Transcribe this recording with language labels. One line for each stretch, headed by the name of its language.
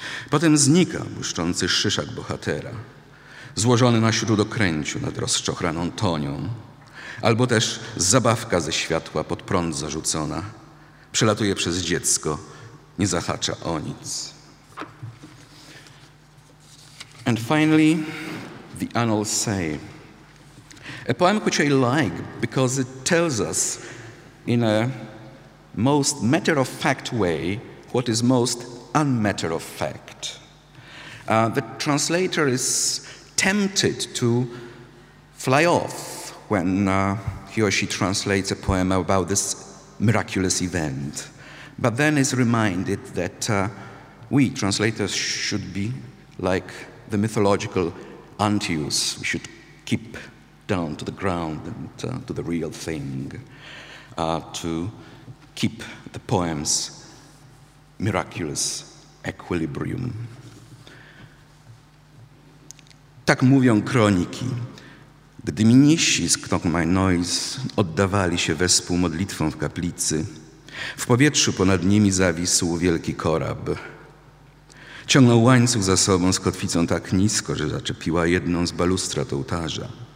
Polish: Potem znika błyszczący szyszak bohatera, złożony na śródokręciu nad rozczochraną tonią, albo też zabawka ze światła pod prąd zarzucona, przelatuje przez dziecko, nie zahacza o nic.
English: And finally, the annals say, a poem which I like because it tells us in a most matter-of-fact way what is most unmatter-of-fact. The translator is tempted to fly off when he or she translates a poem about this miraculous event, but then is reminded that we translators should be like the mythological Antaeus. We should keep down to the ground and to the real thing, to keep the poem's miraculous equilibrium.
Polish: Tak mówią kroniki, gdy mnisi z Knock My Noise oddawali się wespół modlitwą w kaplicy, w powietrzu ponad nimi zawisł wielki korab. Ciągnął łańcuch za sobą z kotwicą tak nisko, że zaczepiła jedną z balustrad ołtarza.